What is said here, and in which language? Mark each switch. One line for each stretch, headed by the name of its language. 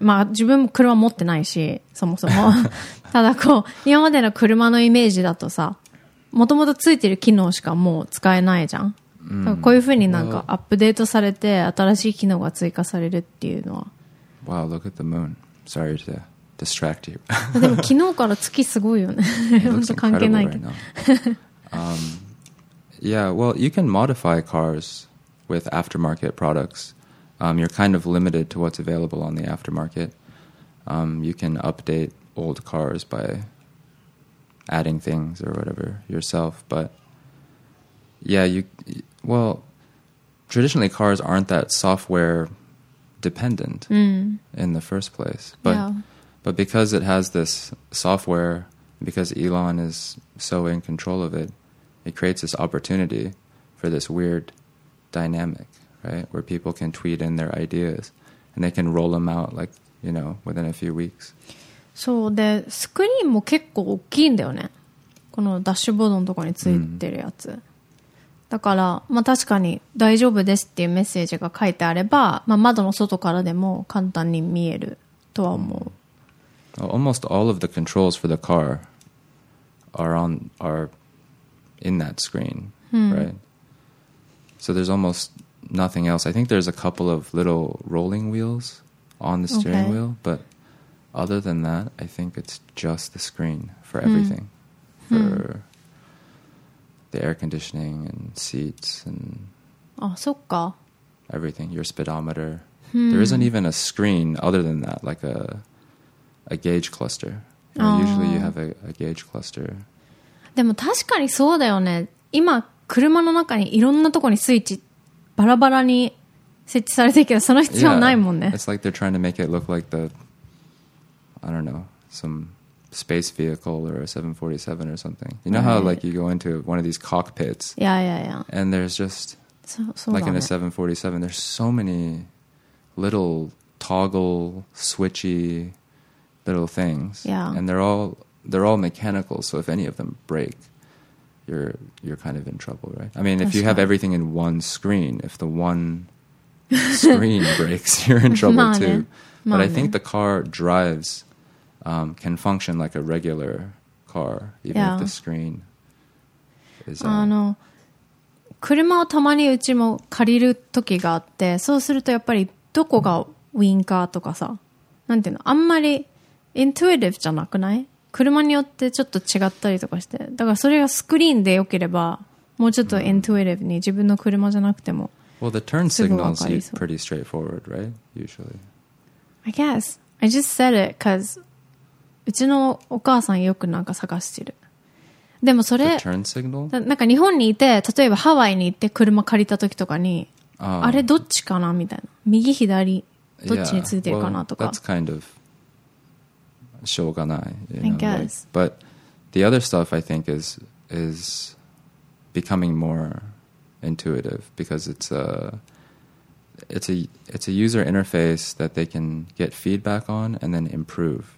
Japanese: まあ自分も車持ってないし、そもそも。ただこう、今までの車のイメージだとさ、もともとついてる機能しかもう使えないじゃん。うん、こういうふうになんかアップデートされて新しい機能が追加されるっていうのは。
English: Wow, look at the moon. Sorry to distract you.
Japanese: でも昨日から月すごいよね。本当関係ないけど。
English: Yeah, well, you can modify cars with aftermarket products. You're kind of limited to what's available on the aftermarket. You can update old cars by adding things or whatever yourself. But yeah, well, traditionally cars aren't that software dependent in the first place. But yeah. But because it has this software, because Elon is so in control of it, it creates this opportunity for this weird dynamic, right? Where people can tweet in their ideas and they can roll them out, like, you know, within a few weeks.
Japanese: そうで、スクリーンも結構大きいんだよね。このダッシュボードのとこについてるやつ。だから、まあ確かに大丈夫ですっていうメッセージが書いてあれば、まあ窓の外からでも簡単に見えるとは思う。
English: Almost all of the controls for the car are in that screen, right? So there's almost nothing else. I think there's a couple of little rolling wheels on the steering wheel, but other than that, I think it's just the screen for everything. for、the air conditioning and seats and everything, your speedometer.、There isn't even a screen other than that, like a gauge cluster. Usually you have a gauge cluster.
Japanese: でも確かにそうだよね。今車の中にいろんなとこにスイッチバラバラに設置されてるけど、その必要ないもんね。
English: Yeah, it's like they're trying to make it look like the I don't know, some space vehicle or a 747 or something. You know how like you go into one of these cockpits? Yeah, yeah, yeah. And there's just like in a 747, there's so many little toggle switchy little things. Yeah. And they're all mechanical, so if any of them breakYou're kind of in trouble, right? I mean, if you have everything in one screen, if the one screen breaks, you're in trouble too. But I think the car drives、can function like a regular car, even、if the screen is on.
Japanese: あの、車をたまにうちも借りる時があって、そうするとやっぱりどこがウィンカーとかさ、なんていうの、あんまりイントゥイティブじゃなくない? 車によってちょっと違ったりとかして、だからそれがスクリーンで良ければ、もうちょっとイントゥイティブに自分の車じゃなくても、
English: Well, the turn signals are pretty straightforward, right? Usually. I guess. I just said it because
Japanese: うちのお母さんよくなんか探してる。でもそれ、
English: The turn signal?
Japanese: なんか日本にいて、例えばハワイに行って車借りた時とかに、あれどっちかなみたいな。右左、どっちについてるかなとか。
English: Well, that's kind of...
Japanese: しょうがない、
English: you know, like, but the other stuff I think is becoming more intuitive because it's a user interface that they can get feedback on and then improve、